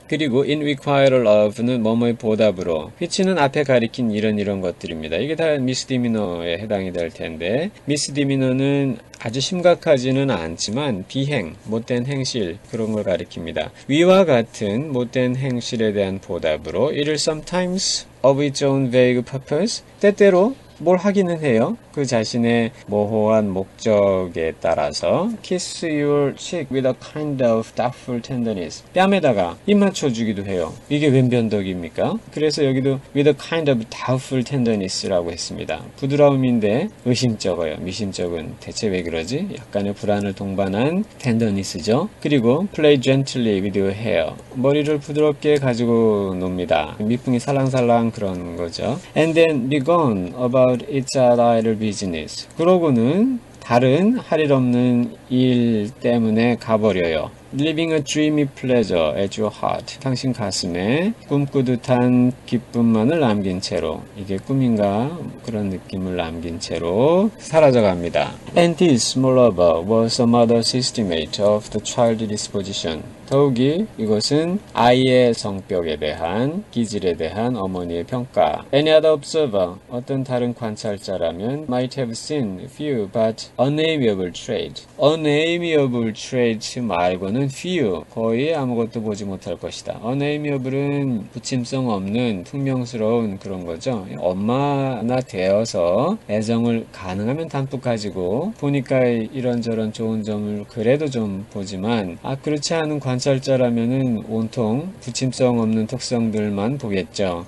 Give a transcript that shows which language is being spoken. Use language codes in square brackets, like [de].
[ko] 그리고 [en] in requital of [ko] 는 뭐뭐의 보답으로. which는 앞에 가리킨 이런 이런 것들입니다. 이게 다 misdemeanor에 해당이 될 텐데. misdemeanor는 아주 심각하지는 않지만 비행, 못된 행실, 그런 걸 가리킵니다. 위와 같은 못된 행실에 대한 보답으로 [en] it'll sometimes of its own vague purpose [ko] 때때로 뭘 하기는 해요. 그 자신의 모호한 목적에 따라서 [en] kiss your cheek with a kind of doubtful tenderness [ko] 뺨에다가 입맞춰 주기도 해요. 이게 웬 변덕입니까? 그래서 여기도 [en] with a kind of doubtful tenderness [ko] 라고 했습니다. 부드러움인데 의심쩍어요. 미심쩍은 대체 왜 그러지? 약간의 불안을 동반한 tenderness죠. 그리고 [en] play gently with your hair [ko] 머리를 부드럽게 가지고 놉니다. 미풍이 살랑살랑 그런 거죠. [en] And then be gone about It's a little business. [ko] 그러고는 다른 할일 없는 일 때문에 가버려요. [en] Living a dreamy pleasure at your heart. [ko] 당신 가슴에 꿈꾸듯한 기쁨만을 남긴 채로, 이게 꿈인가? 그런 느낌을 남긴 채로 사라져갑니다. [en] And this, moreover, was a mother's estimate of the child's disposition. [ko] 더욱이 이것은 아이의 성격에 대한, 기질에 대한 어머니의 평가. [en] Any other observer, [ko] 어떤 다른 관찰자라면, [en] might have seen few but unamiable traits. [ko] Unamiable traits 말고는 few, 거의 아무것도 보지 못할 것이다. Unamiable은 부침성 없는 퉁명스러운 그런 거죠. 엄마나 되어서 애정을 가능하면 담뿍 가지고 보니까 이런저런 좋은 점을 그래도 좀 보지만 아 그렇지 않은 관찰자라면은 온통 부침성 없는 특성들만 보겠죠.